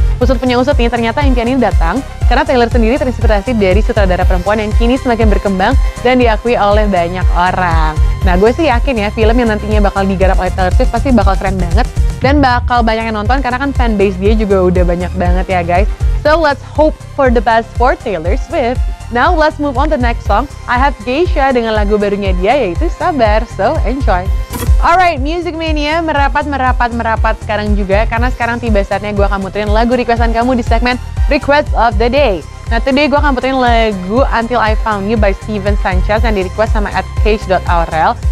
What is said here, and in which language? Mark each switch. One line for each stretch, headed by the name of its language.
Indonesian: Usut punya usut nih, ternyata impian ini datang karena Taylor sendiri terinspirasi dari sutradara perempuan yang kini semakin berkembang dan diakui oleh banyak orang. Nah, gue sih yakin ya, film yang nantinya bakal digarap oleh Taylor Swift pasti bakal keren banget dan bakal banyak yang nonton karena kan fanbase dia juga udah banyak banget ya, guys.
English: So let's hope for the best for Taylor Swift. Now let's move on to the next song.
Indonesian: I Have Geisha dengan lagu barunya dia yaitu Sabar.
English: So enjoy.
Indonesian: Alright, Music Mania merapat sekarang juga karena sekarang tiba saatnya gue akan muterin lagu requestan kamu di segmen Request of the Day. Nah, today gue akan puterin lagu Until I Found You by Steven Sanchez yang di-request sama @cage.aurel.